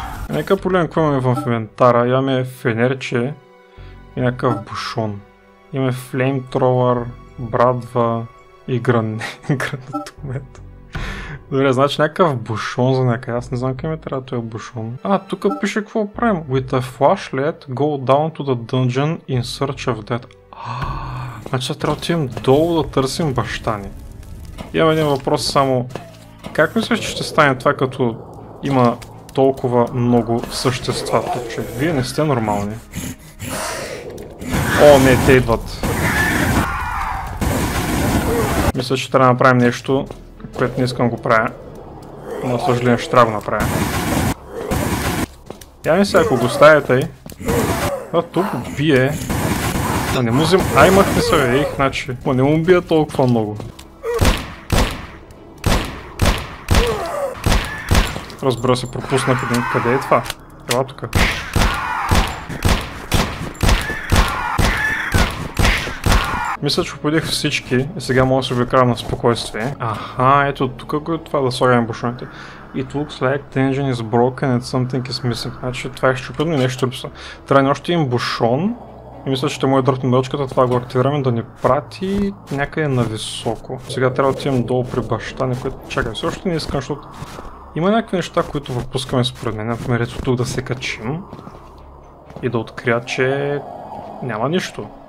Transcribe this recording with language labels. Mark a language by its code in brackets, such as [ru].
[bg] Нека погледам, какво имаме в инвентара. Имаме фенерче и някакъв бушон. Имаме флеймтровър, брадва и гранатомет. Добре, значи някакъв бушон за някакъв. Аз не знам къде ми трябва този бушон. А, тук пише какво правим. [en] With a flashlight, go down to the dungeon in search of that. [bg] Значи сега трябва да отидем долу да търсим баща ни. Имам един въпрос само. Как мислиш, че ще стане това, като има толкова много същества тук, че вие не сте нормални? О, не, те идват. Мисля, че трябва да направим нещо, което не искам го правя. Но, за съжаление, ще трябва да направя. Я не знаю, ако го стая тъй. А тук бие. Ма не му взим... Ай, махни се, ей, значи. Ма не му бие толкова много. Разбира се, пропуснах един. Къде е това? Ела тука. Мисля, че победих всички и сега мога да се обикарам на спокойствие. Аха, ето тук е това да слагаме бушоните. [en] It looks like the engine is broken and something is missing. [bg] Значи това е щупено и нещо липсва. Трябва още един бушон. И мисля, че ще му е дръпна дълчката, това го активираме да ни прати някъде нависоко. Сега трябва да отидем долу при баща ни, което чакай, все още не искам, защото има някакви неща, които пропускаме според мен. Например, ето тук да се качим и да открия, че няма нищо.